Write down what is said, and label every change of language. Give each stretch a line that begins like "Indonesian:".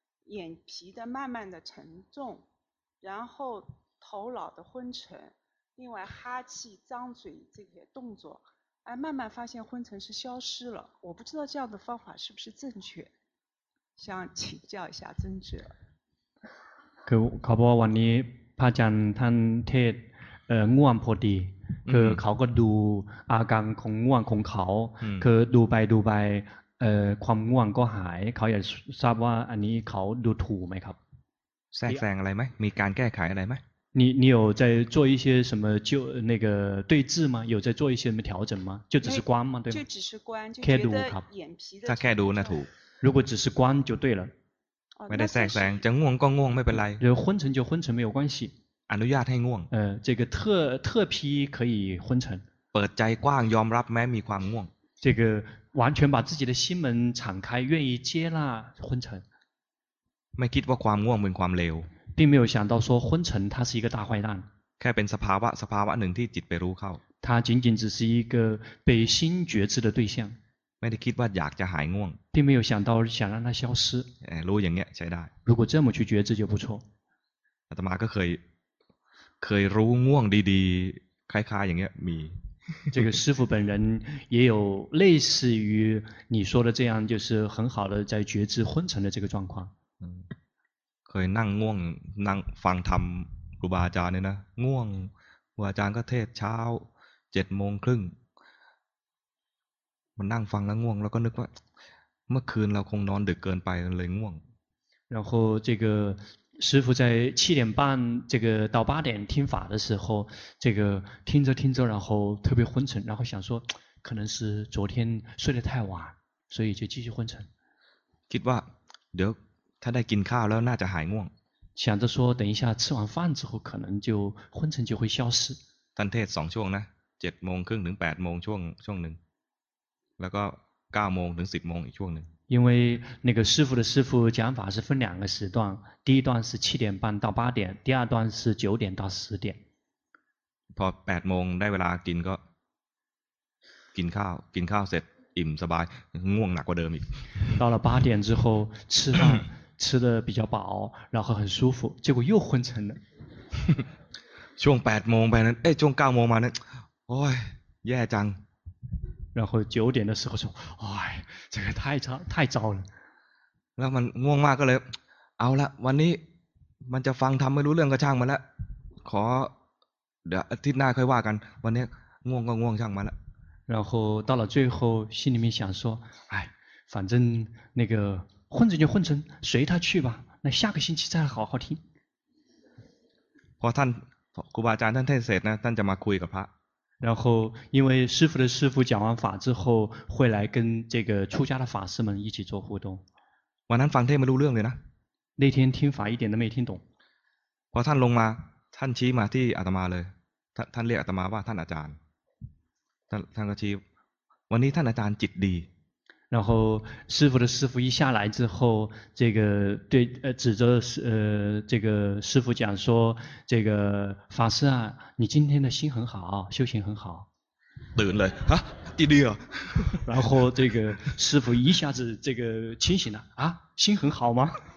Chinese: 眼皮的慢慢的沉重，然后头脑的昏沉，另外哈气、张嘴这些动作，哎，慢慢发现昏沉是消失了。我不知道这样的方法是不是正确，想请教一下尊者。
Thai: คือเขาบอกวันนี้พระอาจารย์ท่านเทศง่วงพอดีคือเขาก็ดูอาการของง่วงของเขาคือดูไปความง่วงก็หายเขาอยากทราบว่าอันนี้เขาดูถูกไหมครับ แทรกแซงอะไรไหมมีการแก้ไขอะไรไหม
Chinese: 你有在做一些什么就那个对峙吗有在做一些什么调整吗就只是观吗对吗就只是观就觉得眼皮的ครับ
Thai: ถ้าแค่ดูนะถูก
Chinese: 如果只是观就对了
Thai: ไม่ได้แทรกแซงจะง่วงก็ง่วงไม่เป็นไร
Chinese: หรือ昏沉就昏沉没有关系
Thai: อนุญาตให้ง่วง
Chinese: 这个特批可以昏沉
Thai: เปิดใจกว้างยอมรับแม้มีความง่วง
Chinese: 这个完全把自己的心门敞开，愿意接纳昏沉。
Thai: ไม่คิดว่าความง่วงเป็นความเลว，
Chinese: 并没有想到说昏沉它是一个大坏蛋。
Thai: แค่เป็นสภาวะหนึ่งที่จิตไปรู้เข้า。
Chinese: 它仅仅只是一个被心觉知的对象。
Thai: ไม่ได้คิดว่าอยากจะหายง่วง，
Chinese: 并没有想到想让它消失。
Thai: รู้อย่างเงี้ยใช้ได้。
Chinese: 如果这么去觉知就不错。
Thai: อาตมาก็เคยรู้ง่วงดีๆคล้ายๆอย่างเงี้ยมี。
Chinese: 这个师父本人也有类似于你说的这样，就是很好的在觉知昏沉的这个状况。嗯，可以
Thai: นั่งง่วงนั่งฟังธรรมครูบาอาจารย์เนี่ยนะง่วงครูอาจารย์ก็เทศเช้า7:30มันนั่งฟังแล้วง่วงแล้วก็นึกว่าเมื่อคืนเราคงนอนดึกเกินไปเลยง่วง
Chinese: 然后这个师父在7:30这个到8:00听法的时候，这个听着听着，然后特别昏沉，然后想说，可能是昨天睡得太晚，所以就继续昏沉。
Thai: คิดว่าเดี๋ยวถ้าได้กินข้าวแล้วน่าจะหายง่วง。
Chinese: 想着说等一下吃完饭之后，可能就昏沉就会消失。
Thai: ท่านเทศ2 ช่วงนะ7:30ถึง8:00ช่วงหนึ่งแล้วก็9:00ถึง10:00อีกช่วงหนึ่ง。
Chinese: 因为那个师父讲法是分两个时段，第一段是7:30到8:00，第二段是9:00到10:00。
Thai: พอ8:00ได้เวลากินก็กินข้าวเสร็จอิ่มสบายง่วงหนักกว่าเดิมอีก。
Chinese: 到了8:00之后吃饭吃的比较饱，然后很舒服，结果又昏沉了。
Thai: ช่วง8:00ไปนั้นช่วง9:00มานั้นโอ้ยแย่จัง。
Chinese: 然后9:00的时候说，哎，这个太糟了。
Thai: 那么ง่วงมากก็เลยเอาละวันนี้มันจะฟังทำไม่รู้เรื่องก็ช่างมันละขอเดี๋ยวอาทิตย์หน้าค่อยว่ากันวันนี้ง่วงก็ง่วงช่างมันละ
Chinese: 然后到了最后心里面想说，哎，反正那个昏沉就昏沉，随他去吧。那下个星期再好好听。
Thai: พอท่านครูบาอาจารย์ท่านเทศเสร็จนะท่านจะมาคุยกับพระ
Chinese: 然后因为师父的师父讲完法之后会来跟这个出家的法师们一起做互动。晚上放天没录量的呢，那天听法一点都没听懂。
Thai: พอท่านลงมาท่านชี้มาที่อาตมาเลยท่านเรียกอาตมาว่าท่านอาจารย์ท่านก็ชี้วันนี้ท่านอาจารย์จิตดี
Chinese: 然后师父的师父一下来之后这个对指着这个师父讲说这个法师啊你今天的心很好修行很好对了啊弟弟啊然后这个师父一下子这个清醒了啊心很好吗